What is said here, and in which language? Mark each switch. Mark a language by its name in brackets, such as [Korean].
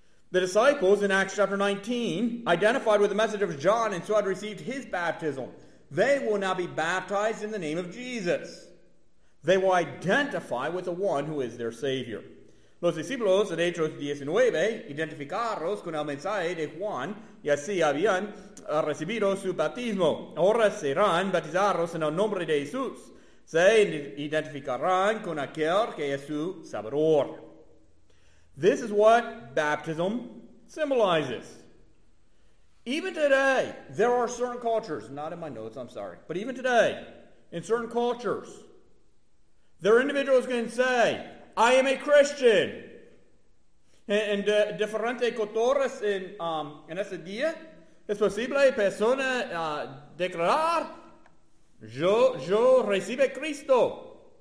[English] The disciples in Acts chapter 19 identified with the message of John and so had received his baptism. They will now be baptized in the name of Jesus. They will identify with the one who is their Savior. [Spanish] Los discípulos en Hechos 19 identificaron con el mensaje de Juan y así habían recibido su bautismo. Ahora serán bautizados en el nombre de Jesús. Se identificarán con aquel que es su Salvador. [English] This is what baptism symbolizes. Even today, there are certain cultures, not in my notes, I'm sorry, but even today, in certain cultures, there are individuals can say, I am a Christian. [Spanish] En diferentes culturas en ese día, es posible persona declarar, yo recibe Cristo.